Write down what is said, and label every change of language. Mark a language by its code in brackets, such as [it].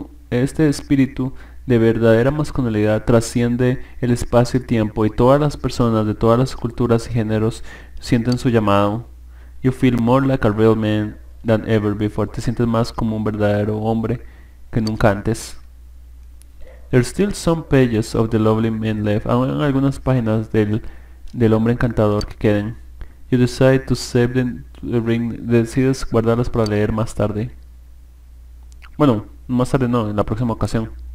[es] Este espíritu de verdadera masculinidad trasciende el espacio y el tiempo, y todas las personas de todas las culturas y géneros sienten su llamado. [en] You feel more like a real man than ever before. [es] Te sientes más como un verdadero hombre que nunca antes. [en] There's still some pages of the lovely man left. [es] Aún hay algunas páginas del hombre encantador que queden. [en] You decide to save the ring. [es] Decides guardarlas para leer más tarde. Bueno, más tarde no, en la próxima ocasión.